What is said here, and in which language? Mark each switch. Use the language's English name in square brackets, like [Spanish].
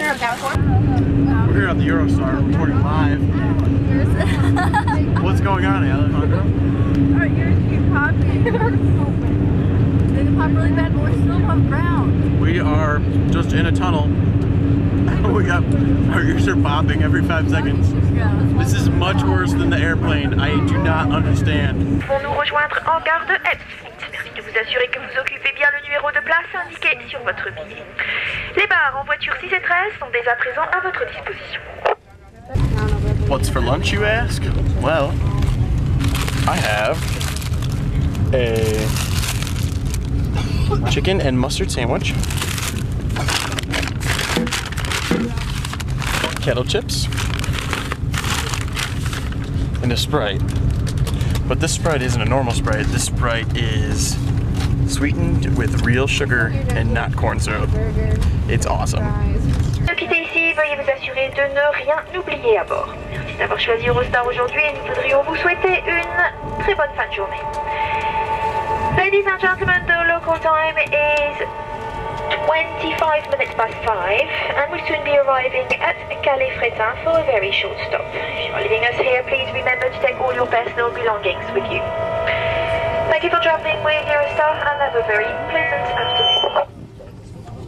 [English] We're here on the Eurostar reporting live. What's going on, Alejandro? Alright, you're popping. They pop really bad, but we're still on ground. We are just in a tunnel. We got our ears are popping every 5 seconds. This is much worse than the airplane. I do not understand. [French] Pour nous rejoindre en gare de Epps, merci de vous assurer que vous occupez bien le numéro de place indiqué sur votre billet. Les bars en voiture 6 et 13 sont dès à présent à votre disposition. [English] What's for lunch, you ask? Well, I have a chicken and mustard sandwich. Kettle chips and a Sprite, but this Sprite isn't a normal Sprite. This Sprite is sweetened with real sugar and not corn syrup. It's awesome. [French] Pour quitter ici, veuillez vous assurer de ne rien oublier à bord. Merci d'avoir choisi Eurostar aujourd'hui et nous voudrions vous souhaiter une très bonne fin de journée. [English] Ladies and gentlemen, the local time is 25 minutes past 5, and we'll soon be arriving at Calais-Fréthun for a very short stop. If you're leaving us here, please remember to take all your personal belongings with you. Thank you for traveling with Eurostar, and have a very pleasant afternoon.